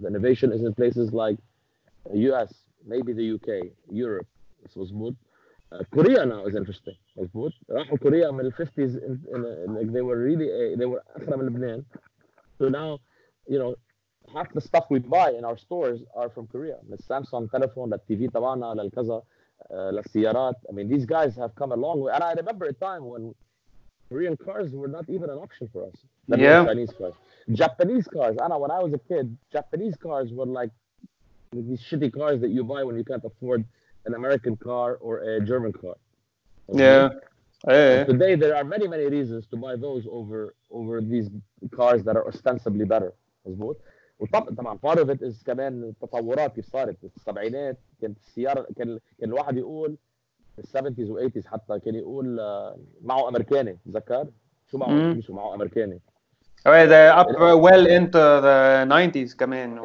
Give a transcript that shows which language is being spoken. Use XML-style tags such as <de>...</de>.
<en>The innovation is in places like US, maybe the UK, Europe. This was good. Korea now is interesting. Was good.</en> <ar>راحوا كوريا من الفيفتيز</ar> <en>like they were really they were</en> <ar>أخرى من لبنان.</ar> <en>So now, half the stuff we buy in our stores are from Korea. The Samsung telephone, the TV تبعنا,</en> <ar>للكذا, للسيارات.</ar> <en>I mean, these guys have come a long way. And I remember a time when Korean cars were not even an option for us. Chinese cars. Japanese cars. Anna, when I was a kid, Japanese cars were like these shitty cars that you buy when you can't afford an American car or a German car. Okay? Yeah. Today, there are many, many reasons to buy those over these cars that are ostensibly better.</en> <ar>مزبوط. وطبعا</ar> <en>part of it is</en> <ar>كمان التطورات كيف صارت في السبعينات كانت السيارة كان الواحد يقول في السبعينات والثمانينات حتى كان يقول معه أمريكاني تذكر شو معه مش معه أمريكاني</ar> <en>well into the 90s كمان</en>